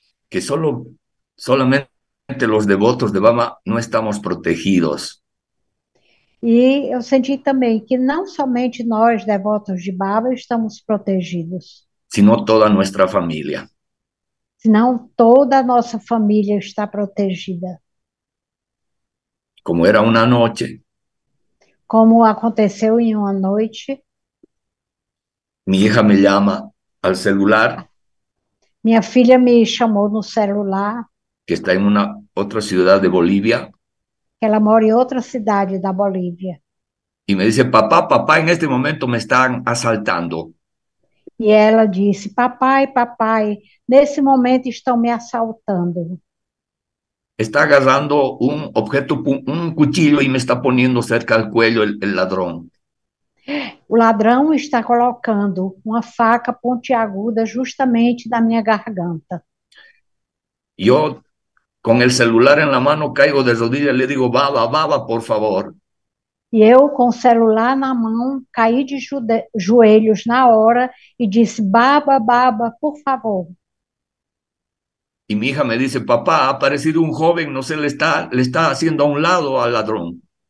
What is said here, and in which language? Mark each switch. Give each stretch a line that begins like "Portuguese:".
Spanish: Que solamente los devotos de Baba no estamos protegidos.
Portuguese: E eu senti também que não somente nós, devotos de Baba, estamos protegidos.
Spanish: Sino toda nuestra familia.
Portuguese: Senão toda a nossa família está protegida.
Spanish: Como era una noche.
Portuguese: Como aconteceu em uma noite.
Spanish: Mi hija me llama al celular.
Portuguese: Minha filha me chamou no celular.
Spanish: Que está en una otra ciudad de Bolivia.
Portuguese: Que ela mora em outra cidade da Bolívia.
Spanish: Y me dice: papá, papá, en este momento me están asaltando.
Portuguese: E ela disse: papai, papai, nesse momento estão me assaltando.
Spanish: Está agarrando un objeto, un cuchillo, y me está poniendo cerca al cuello el ladrón.
Portuguese: O ladrão está colocando uma faca pontiaguda justamente na minha garganta.
Spanish: Yo, con el celular en la mano, caigo de rodillas y le digo: Baba, Baba, por favor.
Portuguese: E eu, com o celular na mão, caí de joelhos na hora e disse: Baba, Baba, por favor.
Spanish: Y mi hija me dice: papá, ha aparecido un joven, no sé, le está haciendo a un lado al ladrón.